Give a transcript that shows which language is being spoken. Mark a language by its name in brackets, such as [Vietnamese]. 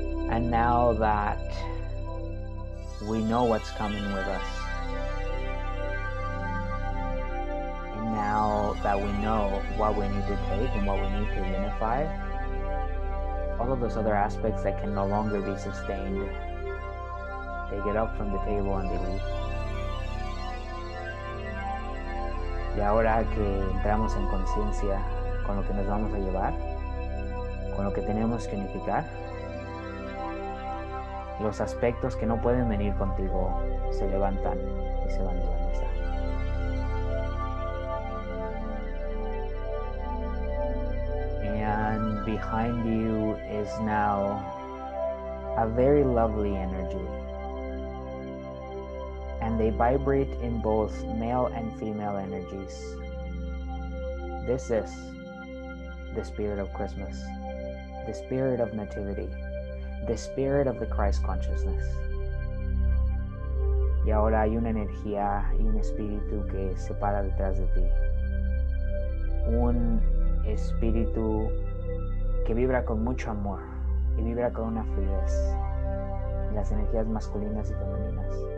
[English] And now that we know what's coming with us, now that we know what we need to take and what we need to unify, all of those other aspects that can no longer be sustained, they get up from the table and they leave. [Spanish] Y ahora que entramos en conciencia con lo que nos vamos a llevar, con lo que tenemos que unificar, los aspectos que no pueden venir contigo se levantan y se van de la mesa. [English] And behind you is now a very lovely energy. And they vibrate in both male and female energies. This is the spirit of Christmas, the spirit of nativity, the spirit of the Christ consciousness. [Spanish] Y ahora hay una energía y un espíritu que se para detrás de ti. Un espíritu que vibra con mucho amor y vibra con una fluidez en las energías masculinas y femeninas.